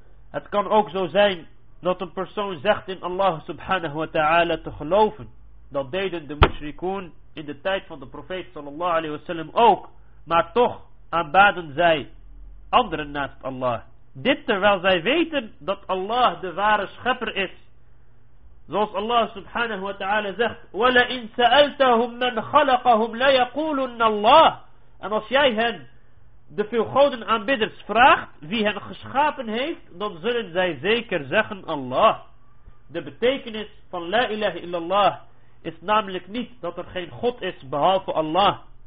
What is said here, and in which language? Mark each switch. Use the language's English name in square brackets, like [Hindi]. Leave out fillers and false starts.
[Dutch] Het kan ook zo zijn dat een persoon zegt in Allah subhanahu wa ta'ala te geloven. Dat deden de mushrikoen in de tijd van de profeet sallallahu alayhi wa sallam ook, maar toch aanbaden zij anderen naast Allah. Dit terwijl zij weten dat Allah de ware schepper is. Zoals Allah subhanahu wa ta'ala zegt: [Arabic] وَلَا إِن سَأَلْتَهُمْ مَنْ خَلَقَهُمْ لَيَقُولُنَّ اللَّهِ. [Dutch] En als jij hen, de veelgoden aanbidders, vraagt wie hen geschapen heeft, dan zullen zij zeker zeggen Allah. De betekenis van la ilaha illallah is namelijk niet dat er geen God is behalve Allah.